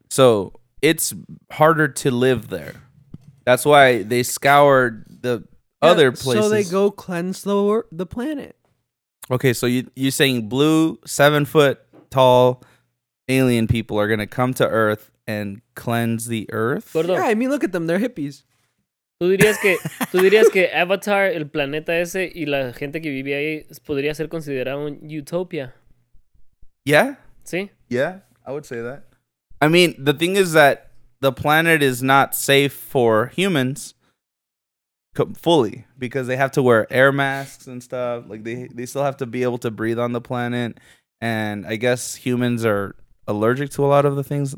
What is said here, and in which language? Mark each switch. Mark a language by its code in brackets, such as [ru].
[en] So it's harder to live there. That's why they scour the other places. So they go cleanse the planet. Okay, so you're saying blue, 7 foot tall alien people are going to come to Earth and cleanse the Earth? Yeah, I mean, look at them. They're hippies. [es] ¿Tú dirías que Avatar, el planeta ese, y la gente que vive ahí podría ser considerado un utopia? [en] Yeah. [es] ¿Sí? [en] Yeah, I would say that. I mean, the thing is that the planet is not safe for humans fully because they have to wear air masks and stuff. Like, they still have to be able to breathe on the planet. And I guess humans are allergic to a lot of the things.